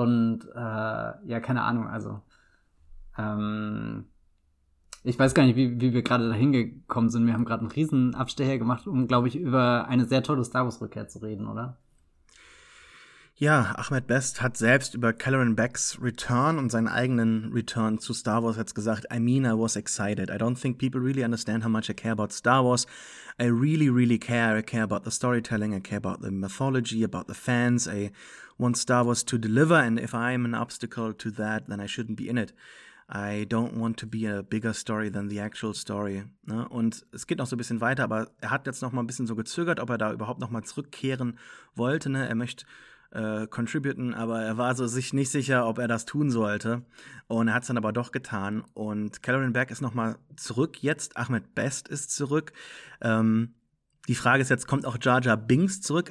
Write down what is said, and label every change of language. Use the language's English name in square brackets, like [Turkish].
[German] Und ja, keine Ahnung, also ich weiß gar nicht, wie wir gerade da hingekommen sind. Wir haben gerade einen riesen Abstecher gemacht, um, glaube ich, über eine sehr tolle Star Wars-Rückkehr zu reden, oder? Ja, Ahmed Best hat selbst über Calloran Beck's Return und seinen eigenen Return zu Star Wars jetzt gesagt, [English] I mean, I was excited. I don't think people really understand how much I care about Star Wars. I really, really care. I care about the storytelling. I care about the mythology, about the fans. I want Star Wars to deliver. And if I'm an obstacle to that, then I shouldn't be in it. I don't want to be a bigger story than the actual story. [German] Ne? Und es geht noch so ein bisschen weiter, aber er hat jetzt noch mal ein bisschen so gezögert, ob er da überhaupt noch mal zurückkehren wollte. Ne? Er möchte contributen, aber er war so sich nicht sicher, ob er das tun sollte. Und er hat es dann aber doch getan. Und Calorin Berg ist nochmal zurück jetzt. Ahmed Best ist zurück. Die Frage ist jetzt, kommt auch Jar Jar Binks zurück?